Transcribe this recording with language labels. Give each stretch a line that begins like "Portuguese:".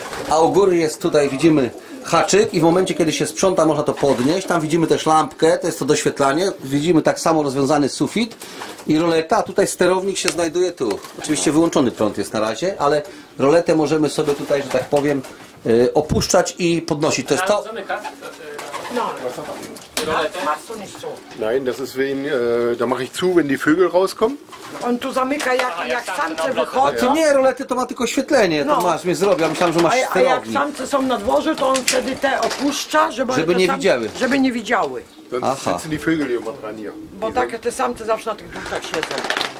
Polish: A u góry jest tutaj, widzimy... haczyk i w momencie, kiedy się sprząta, można to podnieść. Tam widzimy też lampkę, to jest to doświetlanie. Widzimy tak samo rozwiązany sufit i roleta. Tutaj sterownik się znajduje tu. Oczywiście wyłączony prąd jest na razie, ale roletę możemy sobie tutaj, że tak powiem, opuszczać i podnosić. To jest to. No.
German: Nein, das ist wegen, da mache ich zu, wenn die Vögel rauskommen.
Polish: On tu zamyka, jak samce wychodzą. Nie, rolety to ma tylko świetlenie, no. To masz, mnie zrobił, ja myślałem, że masz sterownik. A jak samce są na dworze, to on wtedy te opuszcza, żeby nie widziały. Aha. Bo takie te samce zawsze na tych butach siedzą.